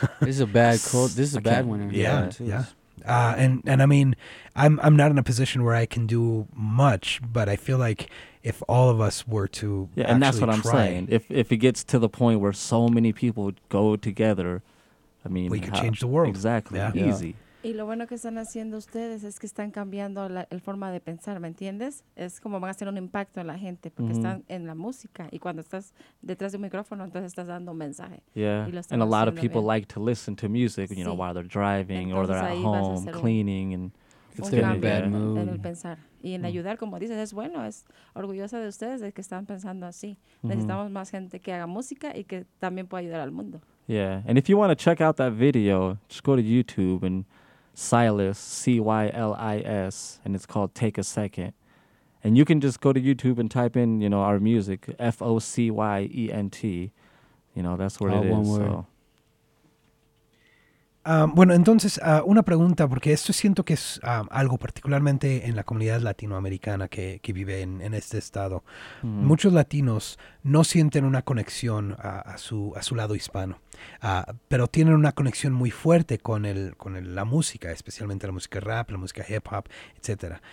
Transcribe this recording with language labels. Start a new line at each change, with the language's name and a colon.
English: this is a bad cold. This is a bad winter. Yeah, yeah. And I mean, I'm not in a position where I can do much, but I feel like if all of us were to And that's what I'm saying. If it gets to the point where so many people go together, I mean, we could change the world. Exactly. Yeah. Easy.
Spanish: Y lo bueno que están haciendo ustedes es que están cambiando el forma de pensar, ¿me entiendes? Es como van a hacer un impacto en la gente porque están en la música y cuando estás detrás de un micrófono entonces estás dando un mensaje.
English: Yeah. And a lot of people like to listen to music, you know, while they're driving or they're at home cleaning and it's getting a bad mood.
Spanish: En el pensar y en ayudar, como dices, es bueno, es orgullosa de ustedes de que están pensando así. Necesitamos más gente que haga música y que también pueda ayudar al mundo.
English: Yeah, and if you want to check out that video, just go to YouTube and Silas, C-Y-L-I-S, and it's called Take a Second. And you can just go to YouTube and type in, you know, our music, F-O-C-Y-E-N-T. You know, that's where it is. So.
Spanish: Bueno, entonces, una pregunta, porque esto siento que es algo particularmente en la comunidad latinoamericana que vive en este estado. Mm-hmm. Muchos latinos no sienten una conexión a su lado hispano, pero tienen una conexión muy fuerte con la música, especialmente la música rap, la música hip hop, etc.